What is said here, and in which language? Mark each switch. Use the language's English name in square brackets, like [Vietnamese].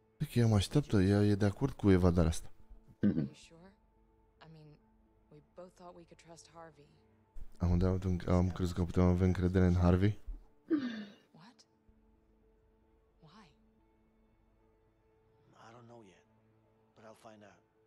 [Romanian] Păi eu mă așteptă, e de acord cu evadarea asta. [English] Are you sure? I mean, we both thought we could trust Harvey. [Romanian] Am crezut că putem avea încredere în Harvey. [English] What? Why? I don't know yet, but I'll find out.